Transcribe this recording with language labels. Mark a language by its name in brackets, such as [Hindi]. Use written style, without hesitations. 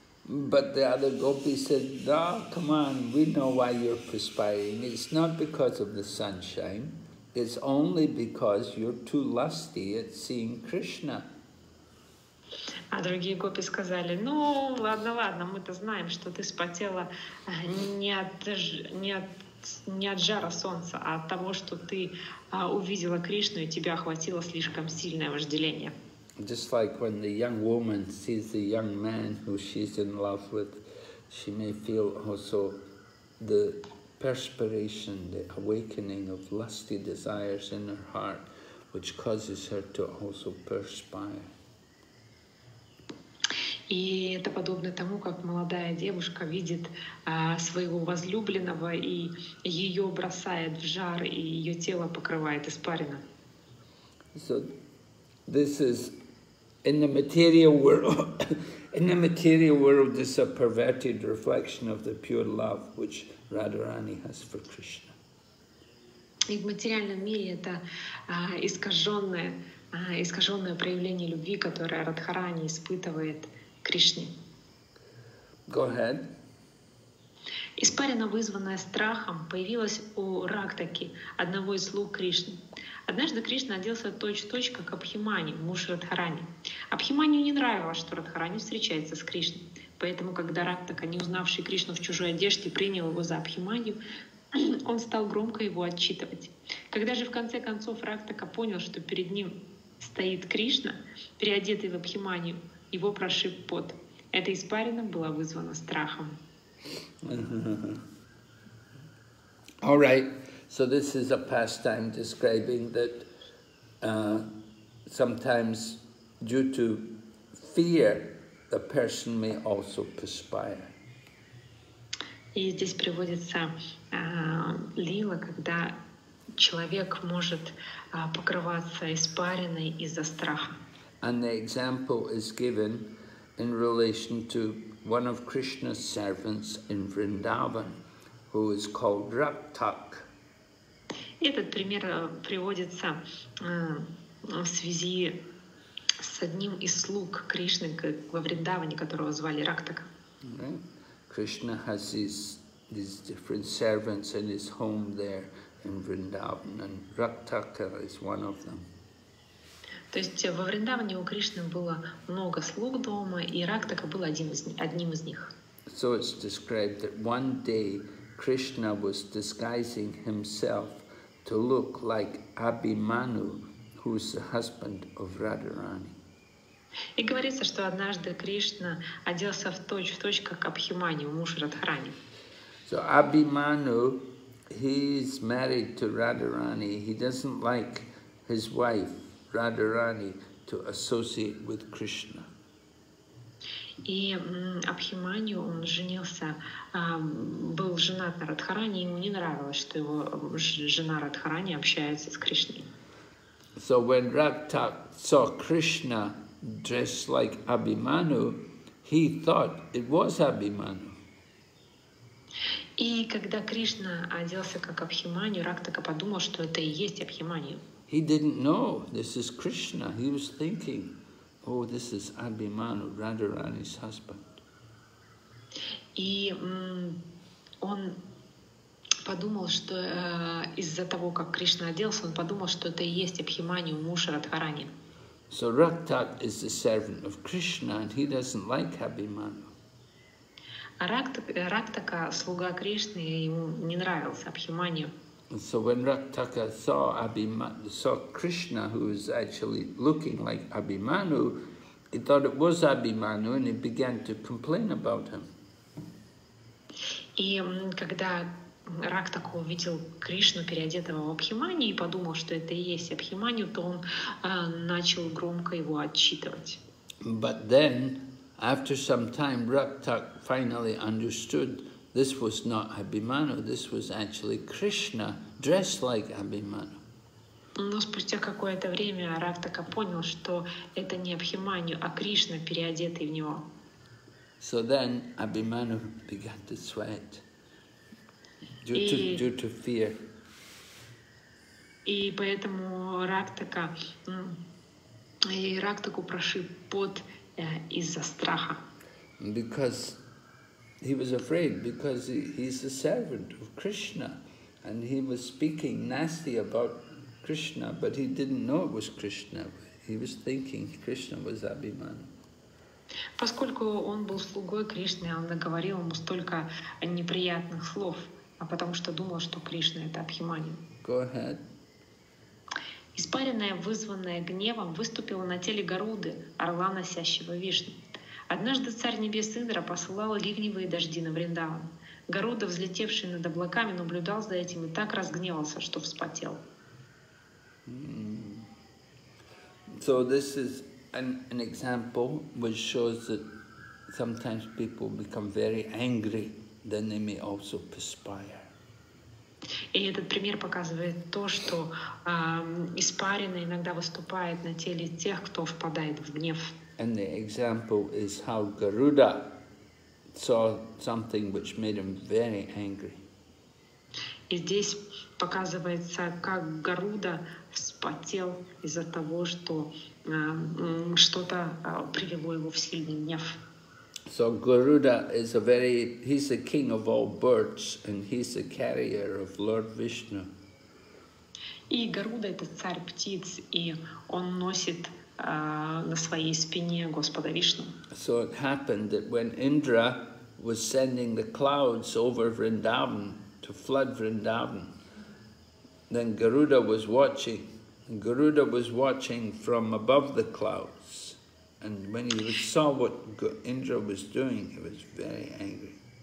[English] But the other gopi said, no, come on, we know why you're perspiring. It's not because of the sunshine. It's only because you're too lusty at seeing Krishna. [Russian] А другие гопи сказали: ну ладно, ладно, мы-то знаем, что ты вспотела не от жара солнца, а от того, что ты увидела Кришну и тебя охватило слишком сильное вожделение. [English] Just like when the young woman sees the young man who she's in love with, she may feel also the perspiration, the awakening of lusty desires in her heart, which causes her to also perspire. [Russian] И это подобно тому, как молодая девушка видит своего возлюбленного, и ее бросает в жар, и ее тело покрывает испарина. [English] So this is in the material world is a perverted reflection of the pure love which Radharani has for Krishna. [Russian] И в материальном мире это искаженное проявление любви, которое Радхарани испытывает Кришне. [English] Go ahead. [Russian] Испарина, вызванная страхом, появилась у Рактаки, одного из слуг Кришны. Однажды Кришна оделся точь-в-точь, как Абхимани, муж Радхарани. Абхиманию не нравилось, что Радхарани встречается с Кришной. Поэтому, когда Рактака, не узнавший Кришну в чужой одежде, принял его за Абхиманию, он стал громко его отчитывать. Когда же в конце концов Рактака понял, что перед ним стоит Кришна, переодетый в Абхиманию, его прошиб пот. Это испарина была вызвана страхом. [English] All right. So this is a pastime describing that sometimes due to fear, the person may also perspire. [Russian] И здесь приводится лила, когда человек может покрываться испариной из-за страха. [English] And the example is given in relation to one of Krishna's servants in Vrindavan, who is called Raktak. [Russian] Этот пример приводится в связи с одним из слуг Кришны во Вриндаване, которого звали Рактака. [English] Krishna has these different servants in his home there in Vrindavan, and Raktaka is one of them. [Russian] То есть во Вриндаване у Кришны было много слуг дома, и Рактака был одним из них. [English] So it's described that one day Krishna was disguising himself to look like Abhimanyu, who is the husband of Radharani. [Russian] И говорится, что однажды Кришна оделся в точь, как Абхиманю, муж Радхарани. [English] So Abhimanyu, he's married to Radharani. He doesn't like his wife Radharani to associate with Krishna. [Russian] И Абхиманю, он женился, был женат на Радхарани, ему не нравилось, что его жена Радхарани общается с Кришной. [English] So when Raktak saw Krishna dressed like Abhimanyu, he thought it was Abhimanyu. [Russian] И когда Кришна оделся как Абхиманю, Рактака подумал, что это и есть Абхиманю. [English] He didn't know this is Krishna. He was thinking, oh, this is Abhimanyu, Radharani's husband. [Russian] И он подумал, что из-за того, как Кришна оделся, он подумал, что это и есть Абхиманию, муж Радхарани. [English] So Raktat is the servant of Krishna, and he doesn't like Abhimanyu. [Russian] Рактака, слуга Кришны, ему не нравился Абхиманию. [English] So when Raktaka saw Krishna, who was actually looking like Abhimanyu, he thought it was Abhimanyu, and he began to complain about him. [Russian] И когда Рактака увидел Кришну, переодетого в Абхиманию, и подумал, что это и есть Абхиманию, то он начал громко его отчитывать. [English] But then, after some time, Raktak finally understood this was not Abhimanyu, this was actually Krishna dressed like Abhimanyu. [Russian] Но спустя какое-то время Рактака понял, что это не Абхиманию, а Кришна, переодетый в него. [English] So then Abhimanyu began to sweat due to fear. [Russian] И поэтому Рактаку прошиб пот из-за страха. [English] Because he was afraid, because he's a servant of Krishna, and he was speaking nasty about Krishna, but he didn't know it was Krishna. He was thinking Krishna was Abhimanyu. [Russian] Поскольку он был слугой Кришны, он наговорил ему столько неприятных слов, а потому что думал, что Кришна — это Абхиманию. [English] Go ahead. [Russian] Испаренная, вызванная гневом, выступила на теле Гаруды, орла, носящего вишни. Однажды царь небес Индра посылал ливневые дожди на Вриндаван. Гаруда, взлетевший над облаками, наблюдал за этим и так разгневался, что вспотел. [English] So this is an example which shows that sometimes people become very angry, then they may also perspire. [Russian] И этот пример показывает то, что испарина иногда выступает на теле тех, кто впадает в гнев. [English] And the example is how Garuda saw something which made him very angry. [Russian] И здесь показывается, как Гаруда вспотел из-за того, что что-то привело его в сильный гнев. [English] So Garuda is he's the king of all birds, and he's the carrier of Lord Vishnu. [Russian] И Гаруда — это царь птиц, и он носит на своей спине Господа Вишну. [English] So it happened that when Indra was sending the clouds over Vrindavan to flood Vrindavan, then Garuda was watching. Garuda was watching from above the clouds, and when he saw what Indra was doing, he was very angry.